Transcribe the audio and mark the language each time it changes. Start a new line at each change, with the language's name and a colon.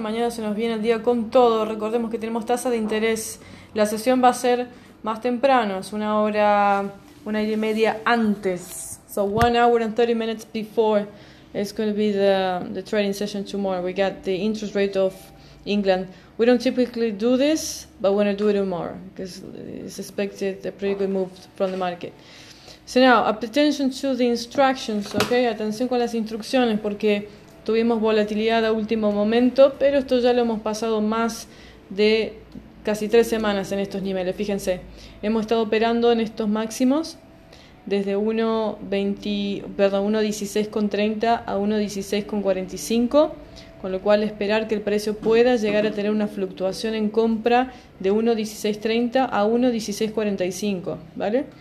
Spanish: Mañana se nos viene el día con todo. Recordemos que tenemos tasa de interés. La sesión va a ser más temprano, es 1 hora, 1 hora y media antes.
English: So 1 hour and 30 minutes before is going to be the trading session tomorrow. We got the interest rate of England. We don't typically do this, but we're going to do it tomorrow because it's expected a pretty good move from the market. So now, attention to the instructions, okay?
Spanish: Atención con las instrucciones porque tuvimos volatilidad a último momento, pero esto ya lo hemos pasado más de casi 3 semanas en estos niveles. Fíjense, hemos estado operando en estos máximos desde 1.20, perdón, 1.16,30 a 1.16,45, con lo cual esperar que el precio pueda llegar a tener una fluctuación en compra de 1.16,30 a 1.16,45, ¿vale?